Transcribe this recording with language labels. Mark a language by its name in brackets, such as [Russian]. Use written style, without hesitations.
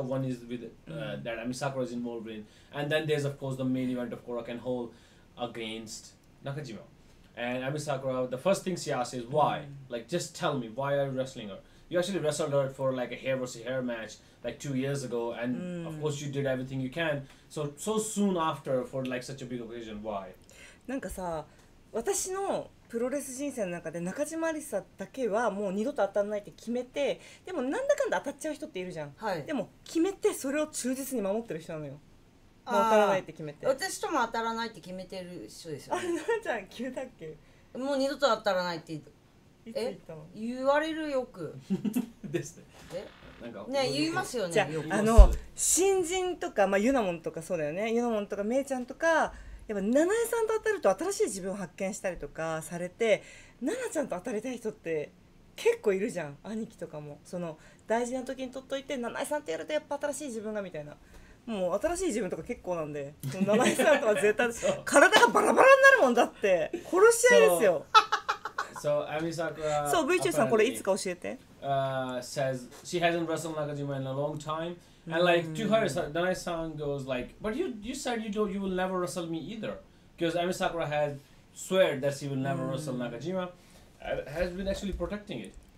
[English] One is with that Ami Sakura is involved in, and then there's of course the main event of Korakuen Hall against Nakajima. And Ami Sakura, the first thing she asks is why? Like, just tell me, why are you wrestling her? You actually wrestled her for like a hair versus hair match like 2 years ago, and of course you did everything you can. So soon after for like such a big occasion, why? [Japanese] なんかさ、私のプロレス人生の中で中島有紗だけはもう二度と当たらないって決めて、でもなんだかんだ当たっちゃう人っているじゃん。はい。でも決めてそれを忠実に守ってる人なのよ。当たらないって決めて。私とも当たらないって決めてる人ですよ、ね。あ、なんちゃん決めたっけ？もう二度と当たらないって言う。え、言われるよくですね。え、なんかね、言いますよね。じゃあ、あの新人とか、まあユナモンとかそうだよね。ユナモンとかメイちゃんとか、やっぱナナエさんと当たると新しい自分を発見したりとかされて、ナナちゃんと当たりたい人って結構いるじゃん。兄貴とかもその大事な時に取っといて、ナナエさんとやるとやっぱ新しい自分がみたいな。もう新しい自分とか結構なんで、ナナエさんとか絶対体がバラバラになるもんだって殺し合いですよ。 [English] So Ami Sakura, [Japanese] so VTuber-san, これいつか教えて。 [English] Says she hasn't wrestled Nakajima in a long time, and like to her, Nanae-san goes like, "But you said you will never wrestle me either, because Ami Sakura has swear that she will never wrestle Nakajima, has been actually protecting it."